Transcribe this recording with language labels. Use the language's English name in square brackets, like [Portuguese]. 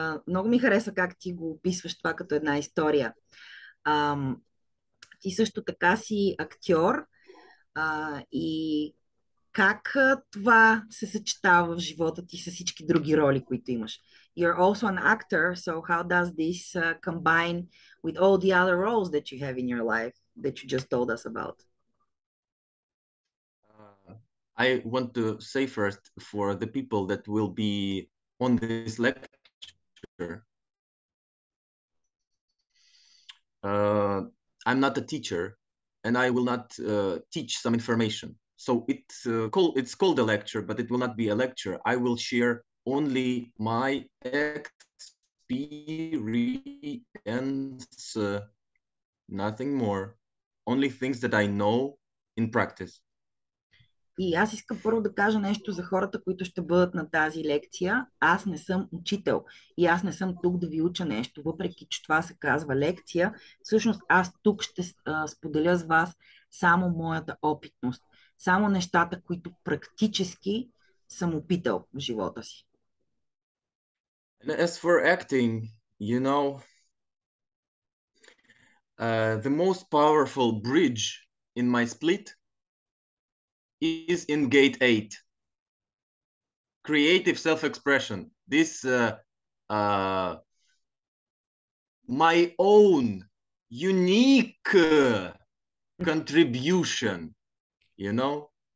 [Bulgarian] Много ми харесва как ти го описваш това като една история. Ти също така си актьор. И как това се съчетава в живота ти с всички други роли, които имаш? [English] You're also an actor, so how does this combine with all the other roles that you have in your life that you just told us about? I want to say first for the people that will be on this lecture. I'm not a teacher and I will not teach some information. So it's called a lecture, but it will not be a lecture. I will share only my experience, nothing more, only things that I know in practice. [Bulgarian] И аз искам първо да кажа нещо за хората, които ще бъдат на тази лекция. Аз не съм учител и аз не съм тук да ви уча нещо, въпреки че това се казва лекция. Всъщност аз тук ще споделя с вас само моята опитност. Само нещата, които практически съм опитал в живота си. [English] And as for acting, you know, the most powerful bridge in my split is in gate 8. Creative self-expression. This my own unique contribution, you know?